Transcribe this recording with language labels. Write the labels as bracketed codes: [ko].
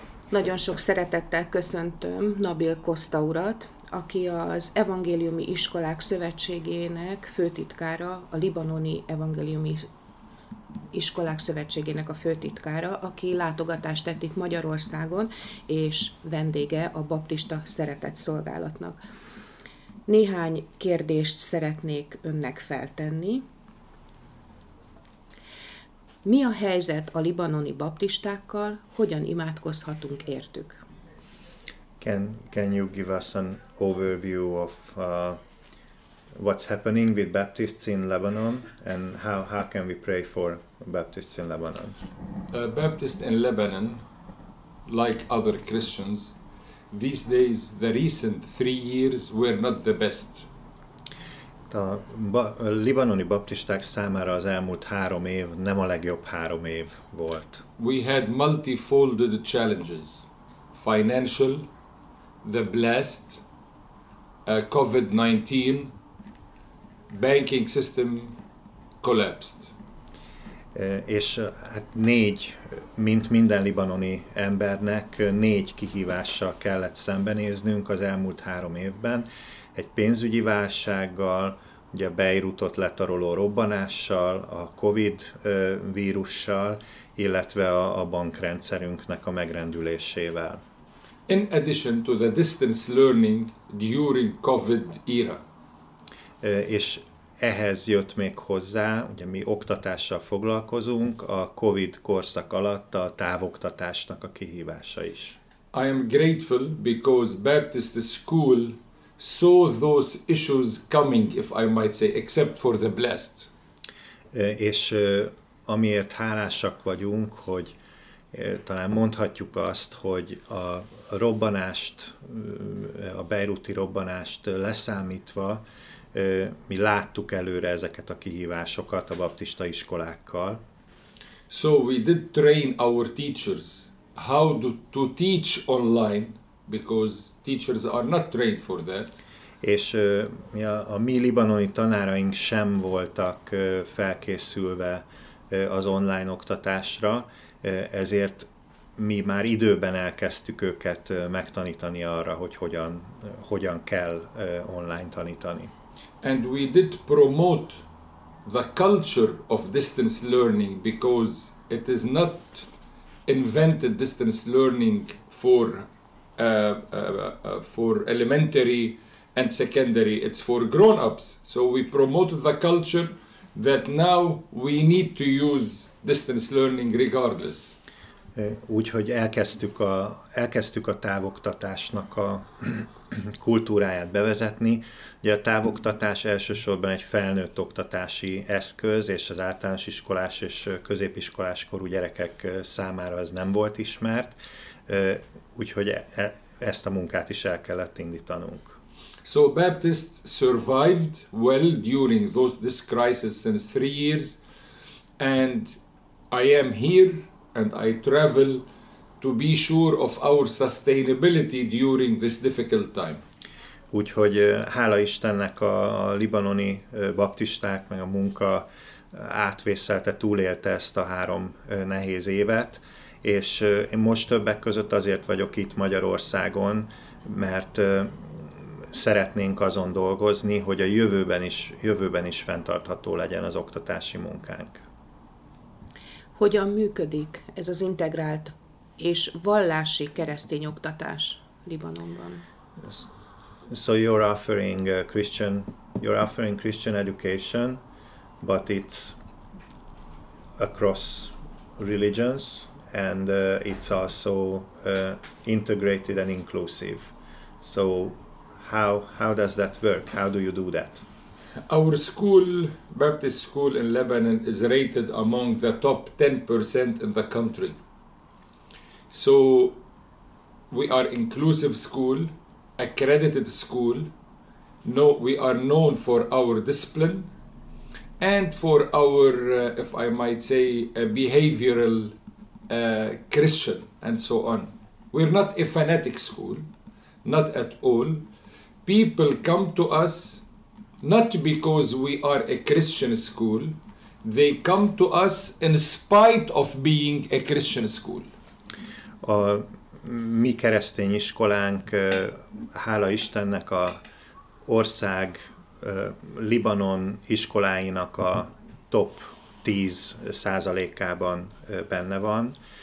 [hu] Nagyon sok szeretettel köszöntöm Nabil Costa urat, aki az Evangéliumi Iskolák Szövetségének főtitkára, a libanoni evangéliumi iskolák szövetségének a főtitkára, aki látogatást tett itt Magyarországon, és vendége a Baptista Szeretett Szolgálatnak. Néhány kérdést szeretnék önnek feltenni. Mi a helyzet a libanoni baptistákkal? Hogyan imádkozhatunk értük? [en] Can you give us an overview of what's happening with Baptists in Lebanon and how can we pray for Baptists in Lebanon? Baptists in Lebanon, like other Christians, these days, the recent 3 years were not the best. [hu] A libanoni baptisták számára az elmúlt 3 év nem a legjobb 3 év volt. [en] We had multifolded challenges, financial, the blast, COVID-19, banking system collapsed. [hu] És hát négy, mint minden libanoni embernek, négy kihívással kellett szembenéznünk az elmúlt 3 évben. Egy pénzügyi válsággal, ugye Beirutot letaroló robbanással, a Covid vírussal, illetve a bankrendszerünknek a megrendülésével. [en] In addition to the distance learning during COVID era. [hu] És ehhez jött még hozzá, ugye mi oktatással foglalkozunk, a Covid korszak alatt a távoktatásnak a kihívása is. [en] I am grateful because Baptist School saw those issues coming, if I might say, except for the blast. [hu] És amiért hálásak vagyunk, hogy talán mondhatjuk azt, hogy a robbanást, a beiruti robbanást leszámítva, mi láttuk előre ezeket a kihívásokat a baptista iskolákkal. [en] So we did train our teachers how to teach online, because teachers are not trained for that. [hu] És a mi libanoni tanáraink sem voltak felkészülve az online oktatásra, ezért mi már időben elkezdtük őket megtanítani arra, hogy hogyan kell online tanítani. [en] And we did promote the culture of distance learning because it is not invented distance learning for elementary and secondary, it's for grown-ups. So we promoted the culture that now we need to use distance learning regardless. [hu] Úgyhogy elkezdtük a távoktatásnak a kultúráját bevezetni. Ugye a távoktatás elsősorban egy felnőtt oktatási eszköz, és az általános iskolás és középiskolás korú gyerekek számára ez nem volt ismert, úgyhogy ezt a munkát is el kellett indítanunk. [en] So Baptist survived well during this crisis since 3 years, and I am here and I travel to be sure of our sustainability during this difficult time. [hu] Úgyhogy hála Istennek a libanoni baptisták meg a munka átvészelte, túlélte ezt a 3 nehéz évet, és én most többek között azért vagyok itt Magyarországon, mert szeretnénk azon dolgozni, hogy a jövőben is fenntartható legyen az oktatási munkánk. Hogyan működik ez az integrált és vallási keresztény oktatás Libanonban? [en] So you're offering Christian education, but it's across religions and it's also integrated and inclusive. So how does that work? How do you do that? Our school, Baptist school in Lebanon, is rated among the top 10% in the country. So we are inclusive school, accredited school. No, we are known for our discipline and for our, if I might say, behavioral Christian and so on. We're not a fanatic school, not at all. People come to us not because we are a Christian school. They come to us in spite of being a Christian school. [hu] A mi keresztény iskolánk, hála Istennek, a ország Libanon iskoláinak a top 10%-ában benne van.